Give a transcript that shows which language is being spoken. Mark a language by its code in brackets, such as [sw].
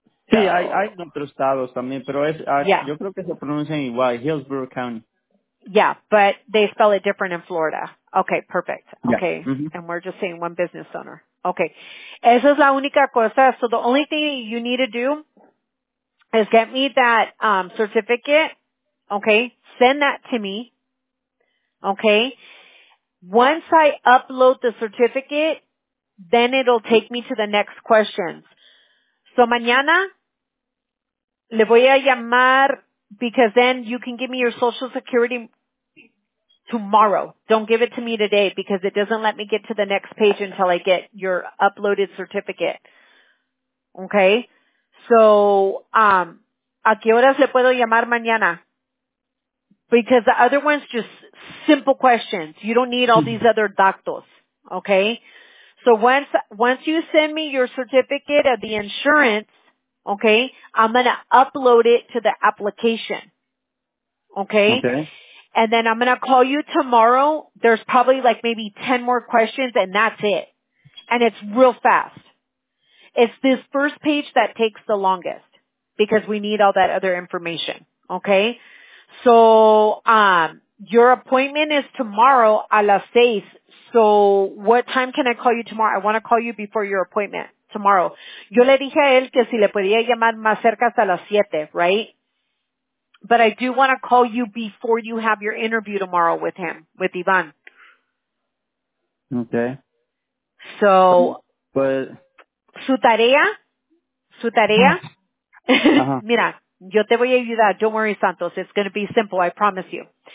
[es] Sí, hay otros estados también, pero yo creo que se pronuncian igual, Hillsborough County. [en] Yeah, but they spell it different in Florida. Okay, perfect. Okay, yeah. Mm-hmm. And we're just saying one business owner. Okay, [es] esa es la única cosa. [en] So the only thing you need to do is get me that certificate. Okay, send that to me. Okay, once I upload the certificate, then it'll take me to the next questions. So [es] mañana le voy a llamar [en] because then you can give me your social security tomorrow. Don't give it to me today because it doesn't let me get to the next page until I get your uploaded certificate. Okay, so [es] ¿a qué horas le puedo llamar mañana? [en] Because the other one's just simple questions. You don't need all these other datos, okay? So once you send me your certificate of the insurance, okay, I'm going to upload it to the application, okay? And then I'm going to call you tomorrow. There's probably like maybe 10 more questions, and that's it. And it's real fast. It's this first page that takes the longest because we need all that other information, okay? So, your appointment is tomorrow [es] a las 6. [en] So, what time can I call you tomorrow? I want to call you before your appointment. So, tomorrow. [es] Yo le dije a él que si le podía llamar más cerca hasta las 7, right? [en] But I do want to call you before you have your interview tomorrow with him, with Iván. Okay. So, but [es] su tarea, uh-huh. Mira, yo te voy a ayudar. [en] Don't worry, Santos. It's going to be simple. I promise you.